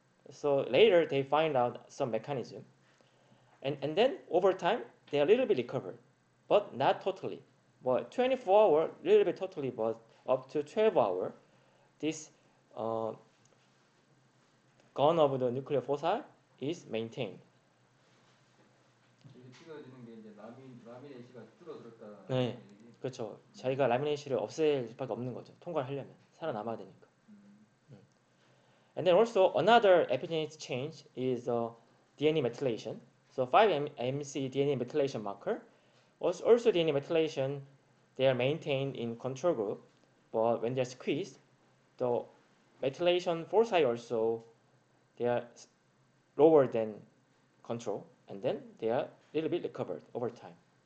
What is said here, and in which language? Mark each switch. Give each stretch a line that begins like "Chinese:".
English: So later, they find out some mechanism, and then over time, they are a little bit recovered. But not totally. Well, 24 hours, a little bit totally, but up to 12 hours, this gone of the nuclear foci is maintained.
Korean: 찍어주는 게 이제 라미네이시가 줄어들었다. 네, 그렇죠. 자기가 라미네이시를 없앨 수밖에 없는 거죠. 통과를 하려면. 살아남아야 되니까.
English: And then also another epigenetic change is DNA methylation. So 5MHC DNA methylation marker. Also DNA methylation, they are maintained in control group, but when they're squeezed, the methylation foci also, they are lower than control, and then they are a little bit recovered over time.